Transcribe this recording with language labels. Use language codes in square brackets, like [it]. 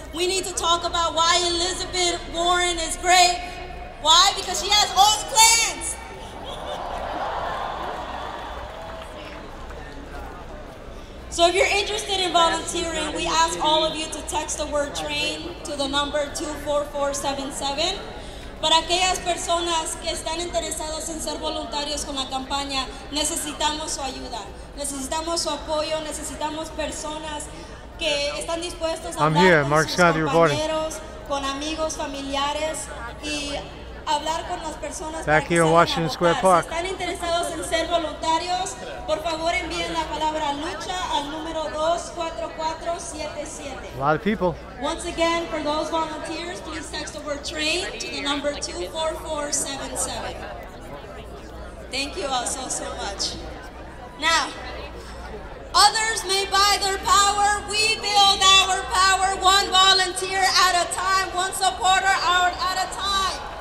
[en] We need to talk about why Elizabeth Warren is great. Why? Because she has all the plans. So if you're interested in volunteering, we ask all of you to text the word train to the number 24477. [es] Para aquellas personas que están interesadas en ser voluntarios con la campaña, necesitamos su ayuda. Necesitamos su apoyo. Necesitamos personas que están dispuestas a hablar con sus compañeros, con amigos, familiares, y hablar con las personas [en] back here in Washington Square Park. [es] Si están interesados en ser voluntarios, por favor envíen la palabra lucha al número 24477. [en] A lot of people. Once again, for those volunteers, please text the word train to the number 24477. Thank you all so much. Now, others may buy their power. We build our power one volunteer at a time, one supporter hour at a time.